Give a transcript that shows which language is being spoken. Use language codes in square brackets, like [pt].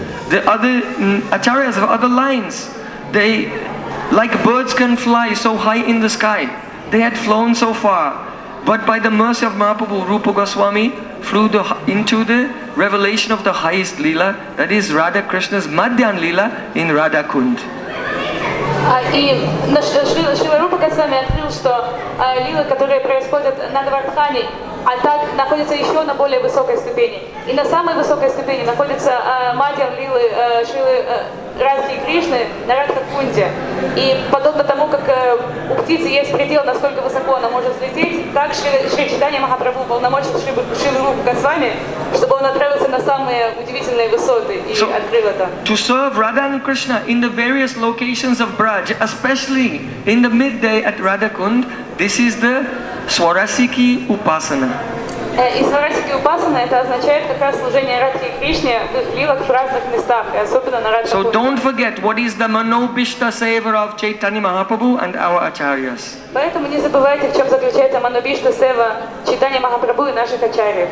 [en] The other acharyas of other lines, they, like birds can fly so high in the sky, they had flown so far. But by the mercy of Mahaprabhu, Rupa Goswami flew into the revelation of the highest Lila, that is Radha Krishna's Madhyan Lila in Radhakund. [ru] И Шрила Рупа Госвами открыл, что лилы, которые происходят на Дварбхане, а так находятся еще на более высокой ступени. И на самой высокой ступени находятся Мадьян лилы Шрилы Радхи и Кришны на Радхакунде. И подобно тому, как у птицы есть предел, насколько высоко она может взлететь, так Шри Чайтанья Махапрабху полномочил Шрилу Рупа Госвами, чтобы он отправился на самые удивительные высоты и [en] so, [ru] открыл это. [en] To serve Radha and Krishna in the various locations of Braj, especially in the midday at Radhakund, this is the Сварасики Упасана. [ru] И Сварасики Упасана это означает как раз служение Радхе и Кришне в лилах в разных местах, и особенно на Радхакунде. [en] So don't forget what is the Manobishta Seva of Chaitanya Mahaprabhu and our Acharyas. [ru] Поэтому не забывайте, в чем заключается Манобишта Сева Чайтанья Махапрабху и наших Ачарьев.